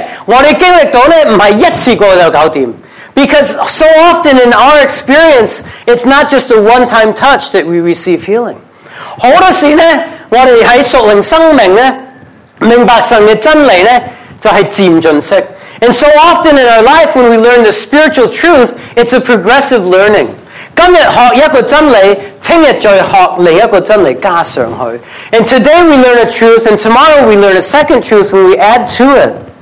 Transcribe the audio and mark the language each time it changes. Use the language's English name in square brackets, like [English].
[Chinese] 因为很多事是我们的经历到不是一次过就搞定. [English] Because so often in our experience, it's not just a one-time touch that we receive healing. [Chinese] 很多事呢,我们在属灵生命呢, 明白神的真理呢,就是渐进式. [English] And so often in our life, when we learn the spiritual truth, it's a progressive learning. [Chinese] 今日学一个真理,明天再学另一个真理加上去. [English] And today we learn a truth, and tomorrow we learn a second truth when we add to it.